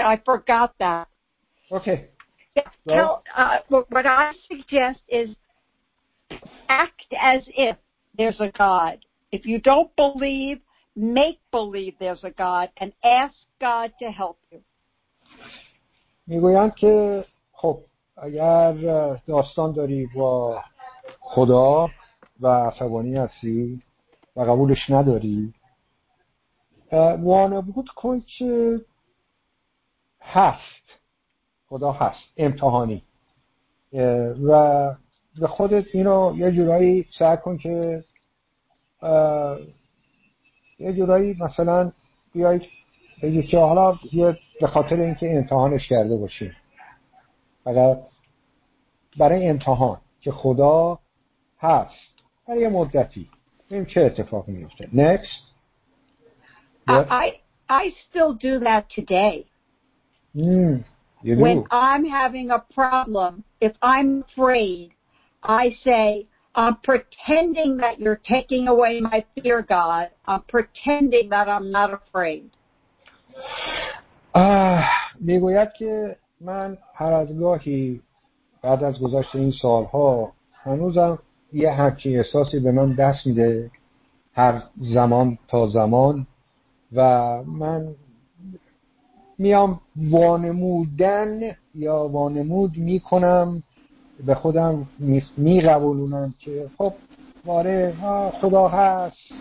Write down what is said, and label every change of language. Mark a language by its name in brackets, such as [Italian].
[English] I forgot that. Okay. Yeah, what I suggest is act as if there's a God. If you don't believe, make believe there's a God and ask God to help you. [Persian] میگویند که خب اگر داستان داری با خدا و عصبانی هستی و قبولش نداری، وانبود کن که هست، خدا هست، امتحانی و به خودت اینو یه جورایی سعی کن که یه جورایی مثلا بیایی بگی که حالا یه به خاطر اینکه امتحانش کرده باشی، فقط برای امتحان که خدا هست برای یه مدتی ببین چه اتفاقی میفته. [English] Next. I still do that today. You do. When I'm having a problem, if I'm afraid, I say I'm pretending that you're taking away my fear, God. I'm pretending that I'm not afraid. [Persian] میگوید که من هر از گاهی بعد از گذشت این سالها هنوزم یه همچین احساسی به من دست میده هر زمان تا زمان و من میام وانمودن یا وانمود میکنم به خودم میقبولونم که خب واره خدا هست